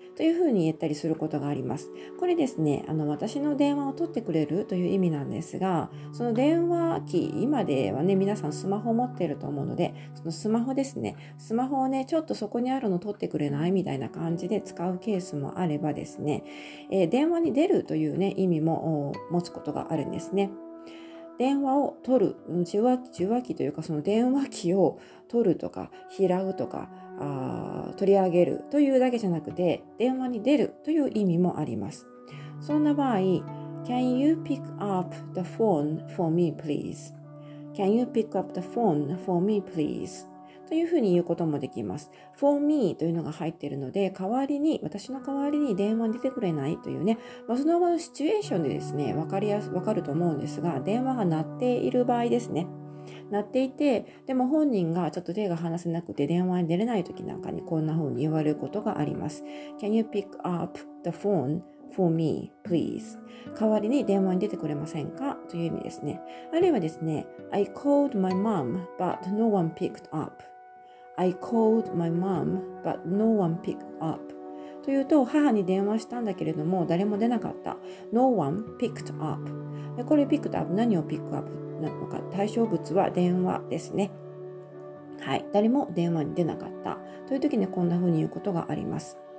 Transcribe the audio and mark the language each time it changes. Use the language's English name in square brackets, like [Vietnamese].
[Japanese] というふうに言ったりすることがあります。これですね、私の電話を取ってくれるという意味なんですが、その電話機、今ではね、皆さんスマホ持っていると思うので、そのスマホですね、スマホをね、ちょっとそこにあるの取ってくれないみたいな感じで使うケースもあればですね、電話に出るという、ね、意味も持つことがあるんですね。電話を取る、受話器というか、その電話機を取るとか、拾うとか、取り上げるというだけじゃなくて、電話に出るという意味もあります。そんな場合、 [English] Can you pick up the phone for me, please? Can you pick up the phone for me, please? [Japanese] というふうに言うこともできます。 [English] for me [Japanese] というのが入っているので、代わりに、私の代わりに電話に出てくれないというね、まあ、その場のシチュエーションでですね、わかると思うんですが、電話が鳴っている場合ですね。なっていて、でも本人がちょっと手が離せなくて電話に出れない時なんかに、こんな風に言われることがあります。 [English] Can you pick up the phone for me please? [Japanese] 代わりに電話に出てくれませんか、という意味ですね。あるいはですね、 [English] I called my mom but no one picked up. I called my mom but no one picked up. [Japanese] というと、母に電話したんだけれども誰も出なかった。 [English] No one picked up。 [Japanese] これ [English] picked up、 [Japanese] 何を [English] pick up? [Japanese] なのか、対象物は電話ですね。はい、誰も電話に出なかったという時に、ね、こんな風に言うことがあります。